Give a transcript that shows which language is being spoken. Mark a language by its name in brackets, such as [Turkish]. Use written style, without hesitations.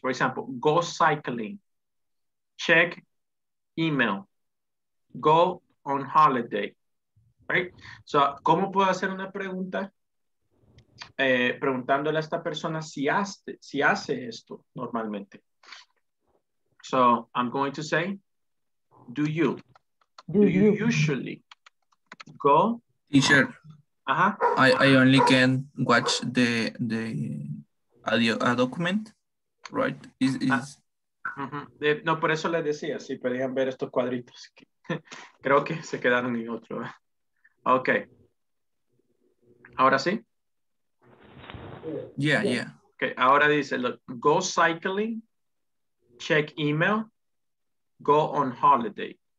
[English] For example, go cycling, check email, go on holiday, right? So, [Spanish] ¿cómo puedo hacer una pregunta? Preguntándole a esta persona si hace esto normalmente. [English] So, I'm going to say, do you usually go? Teacher. Uh-huh. I only can watch the audio, a document, right? [Spanish] No, por eso les decía, si podían ver estos cuadritos. Creo que se quedaron en otro. Ok. ¿Ahora sí? [English] Yeah. Ok, [Spanish] ahora dice, [English] look, go cycling, check email, go on holiday.